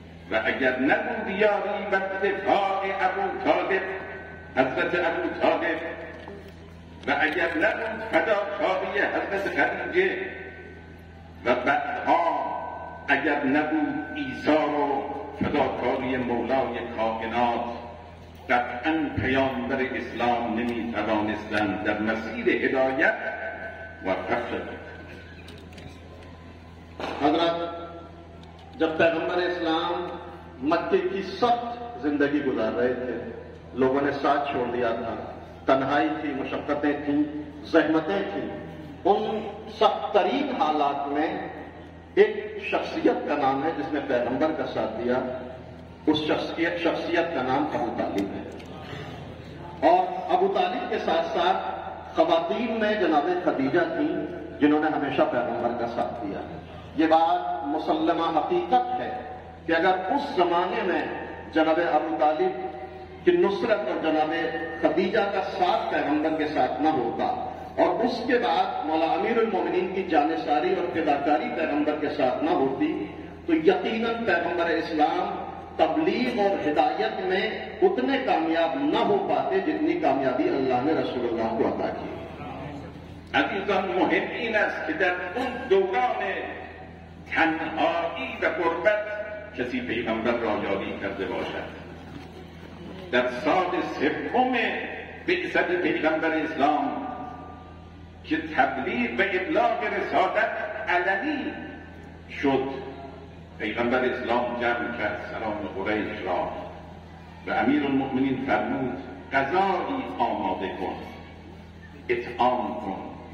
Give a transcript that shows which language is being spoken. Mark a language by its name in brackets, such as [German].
[Persian] و اگر نبود یاری و دفاع ابو طالب، حضرت ابو طالب، و اگر نبود فداکاری حضرت خدیجه، و بعدها اگر نبود ایثار و فداکاری مولای کائنات، قطعاً پیامبر اسلام نمی توانستند در مسیر هدایت موفق شوند. [Urdu] حضرت، جب پیغمبر اسلام مکے کی سخت زندگی گزار رہے تھے، لوگوں نے ساتھ چھوڑ دیا تھا، تنہائی تھی، مشقتیں تھیں، زحمتیں تھیں، ان سخت ترین حالات میں ایک شخصیت کا نام ہے جس نے پیغمبر کا ساتھ دیا، اس شخصیت کا نام ابو طالب ہے. اور ابو طالب کے ساتھ ساتھ خواتین میں جناب خدیجہ تھیں جنہوں نے ہمیشہ پیغمبر کا ساتھ دیا. یہ بات مسلمہ حقیقت ہے کہ اگر اس زمانے میں جناب ابو طالب کی نصرت اور جناب خدیجہ کا ساتھ پیغمبر کے ساتھ نہ ہوتا، اور اس کے بعد مولا امیر المومنین کی جانساری اور فداکاری پیغمبر کے ساتھ نہ ہوتی، تو یقیناً پیغمبر اسلام تبلیغ اور ہدایت میں اتنے کامیاب نہ ہو پاتے جتنی کامیابی اللہ نے رسول اللہ کو عطا کی. [Persian] عزیزان، مهم این است که در اون دوران تنهایی و غربت کسی پیغمبر را یاری کرده باشد. در سال سوم بعثت پیغمبر اسلام که تبلیغ و ابلاغ رسالت علنی شد، پیغمبر اسلام جمع کرد سران قریش را و امیر المؤمنین فرمود غذایی آماده کن، اطعام کن.